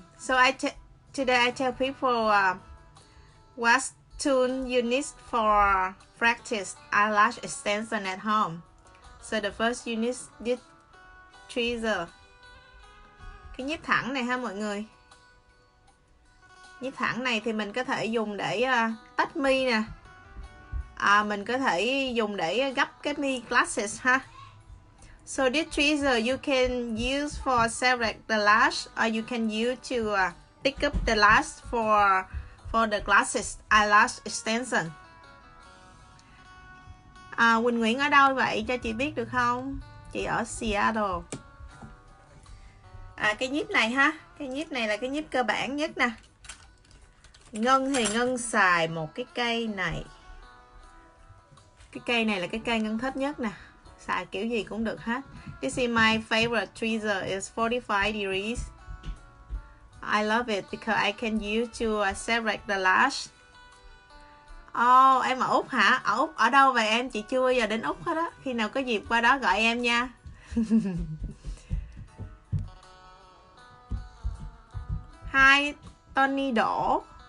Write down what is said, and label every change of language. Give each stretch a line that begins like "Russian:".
English: So today I tell people what tool you need for practice eyelash extension at home. So the first you need this tweezer.
Vietnamese: Cái nhíp thẳng này ha mọi người. Nhíp thẳng này thì mình có thể dùng để tách mi nè. Mình có thể dùng để gấp cái mi glasses ha.
English: So this tweezer you can use for select the lash or you can use to pick up the lash for the glasses eyelash extension.
Vietnamese: Quỳnh Nguyễn ở đâu vậy cho chị biết được không? Chị ở Seattle. Cái nhíp này ha, cái nhíp này là cái nhíp cơ bản nhất nè. Ngân thì Ngân xài một cái cây này. Cái cây này là cái cây Ngân thích nhất nè. Xài kiểu gì cũng được hết.
English: This is my favorite tweezer is 45 degrees. I love it because I can use to separate the lash.
Vietnamese: Em ở Úc hả? Ở Úc ở đâu vậy em? Chị chưa bao giờ đến Úc hết á. Khi nào có dịp qua đó gọi em nha. Hi, Tony Đỗ.